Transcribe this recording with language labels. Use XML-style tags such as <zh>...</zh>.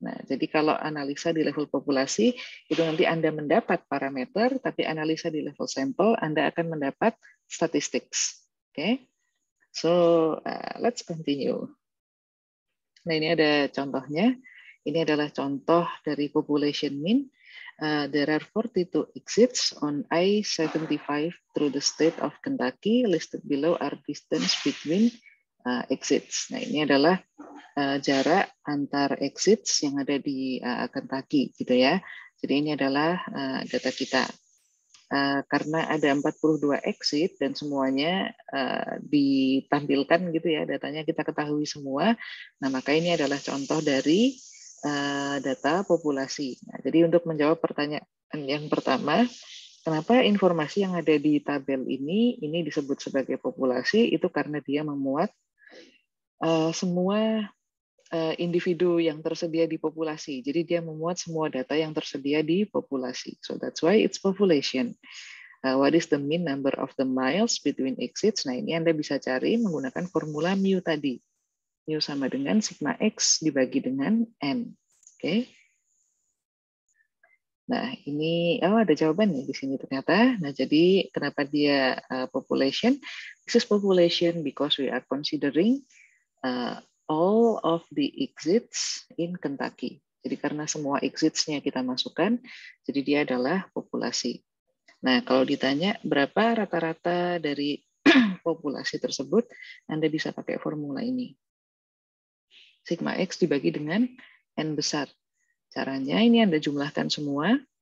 <id>Nah, jadi kalau analisa di level populasi itu nanti Anda mendapat parameter, tapi analisa di level sampel Anda akan mendapat statistics. Oke,</id> <en>So, let's continue.</en> <id>Nah, ini ada contohnya. Ini adalah contoh dari population mean.</id> <en>There are 42 exits on I-75 through the state of Kentucky. Listed below are distance between exits.</en> <id>Nah, ini adalah jarak antar exits yang ada di Kentucky, gitu ya. Jadi ini adalah data kita. Karena ada 42 exit dan semuanya ditampilkan gitu ya, datanya kita ketahui semua. Nah, maka ini adalah contoh dari data populasi. Nah, jadi untuk menjawab pertanyaan yang pertama, kenapa informasi yang ada di tabel ini disebut sebagai populasi? Itu karena dia memuat semua individu yang tersedia di populasi. Jadi dia memuat semua data yang tersedia di populasi.</id> <en>So that's why it's population. What is the mean number of the miles between exits?</en> <id>Nah, ini Anda bisa cari menggunakan formula mu tadi. Mu sama dengan sigma x dibagi dengan n.</id> <en>Oke. Okay.</en> <id>Nah, ini ada jawaban nih di sini ternyata. Nah, jadi kenapa dia population?</id> <en>This is population because we are considering all of the exits in Kentucky.</en> <id>Jadi karena semua exits-nya kita masukkan, jadi dia adalah populasi. Nah, kalau ditanya berapa rata-rata dari populasi tersebut, Anda bisa pakai formula ini. Sigma X dibagi dengan N besar. Caranya ini Anda jumlahkan semua.</id>